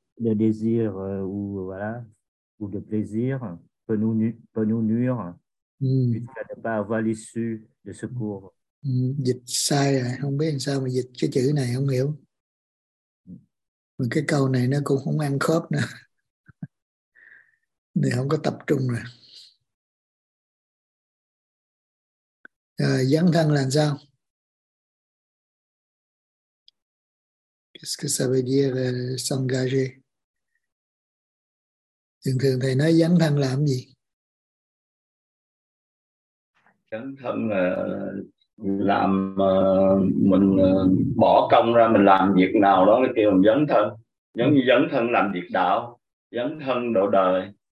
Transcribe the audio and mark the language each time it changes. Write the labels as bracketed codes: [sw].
[fr] de désir ou voilà ou de plaisir peut nous nuire jusqu'à ne pas avoir l'issue de secours. [vi] Dịch sai rồi, không biết làm sao mà dịch cái chữ này không hiểu. Mà cái câu này nó cũng không ăn khớp nữa. Này không có tập trung rồi. Dấn thân là sao? [fr] Qu'est-ce que ça veut dire s'engager? [vi] Thường thường thầy nói dấn thân làm gì? Dấn thân là làm mình bỏ công ra mình làm việc nào đó kêu là dấn thân. Giống như dấn thân làm việc đạo, dấn thân độ đời.